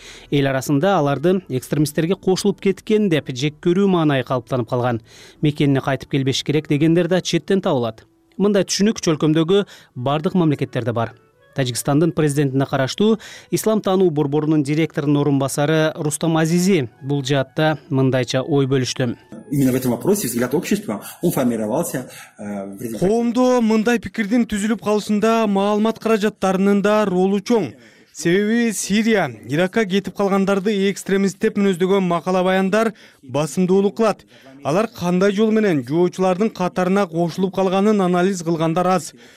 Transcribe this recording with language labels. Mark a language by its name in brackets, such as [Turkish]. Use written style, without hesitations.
[Kyrgyz] Эл арасында аларды экстремисттерге кошулуп кеткен деп жек көрүү маанайы калыптанып калган. Мекенине кайтып келбеш керек дегендер да четтен табылат. Мындай түшүнүк чөлкөмдөгү бардык мамлекеттерде бар. Тажикстандын президентине караштуу ислам таануу борборунун директорунун орун басары Рустам Азизи бул жаатта мындайча ой бөлүштү. [Russian] Именно в этом вопросе взгляд общества он формировался. [Kyrgyz] Коомдо мындай пикирдин түзүлүп калышында маалымат каражаттарынын да ролу чоң. Себеби Сирия, Иракка кетип калгандарды экстремист деп мүнөздөгөн макала баяндар басымдуулук кылат. Алар кандай жол менен жоочулардын катарына кошулуп калганын анализ кылгандар аз.